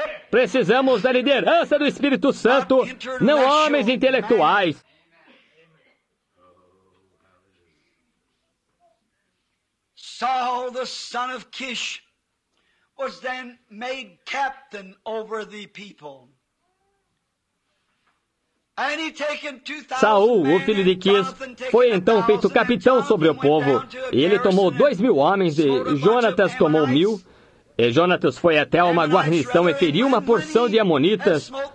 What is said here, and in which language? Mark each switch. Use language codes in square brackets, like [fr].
[pt] Precisamos da liderança do Espírito Santo, não homens intelectuais. [en] Saul, the son of Kish, was then made captain over the people. And he taken 2,000 [pt] Saul, o filho de Kish, foi então feito capitão sobre o povo. E ele tomou 2,000 homens, e Jonatas tomou 1,000. E Jonatas foi até uma guarnição e feriu uma porção de Amonitas.